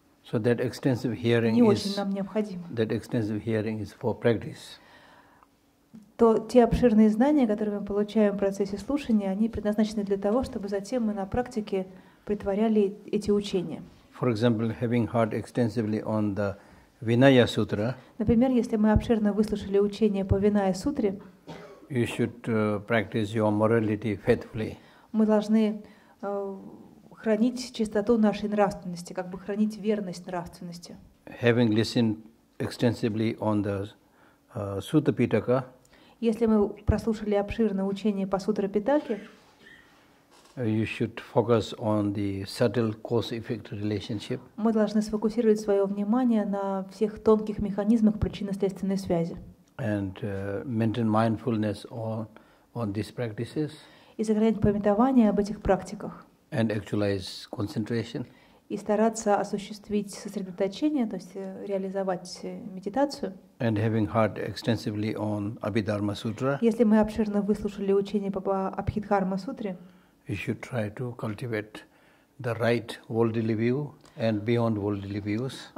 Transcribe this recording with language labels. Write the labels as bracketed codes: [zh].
[en] so that extensive hearing [ru] не [en] is, [ru] очень нам необходимо. [en] That extensive hearing is for practice. [ru] То те обширные знания, которые мы получаем в процессе слушания, они предназначены для того, чтобы затем мы на практике притворяли эти учения. [en] For example, having heard extensively on the Vinaya Sutra. [ru] Например, если мы обширно выслушали учение по Vinaya Sutre, [en] you should practice your morality faithfully. [ru] Мы должны хранить чистоту нашей нравственности, как бы хранить верность нравственности. [en] Having listened extensively on the Sutta Pitaka. [ru] Если мы прослушали обширное учение по Сутре Питаке, [en] you should focus on the subtle cause-effect relationship. [ru] Мы должны сфокусировать свое внимание на всех тонких механизмах причинно-следственной связи. [en] And maintain mindfulness on these practices. [ru] И сохранять памятование об этих практиках. [en] And actualize concentration. [ru] И стараться осуществить сосредоточение, то есть реализовать медитацию. [en] And having heard extensively on Abhidharma Sutra. [ru] Если мы обширно выслушали учение по Абхидхарма Сутре. [en] You should try to cultivate the right worldly view and beyond worldly views.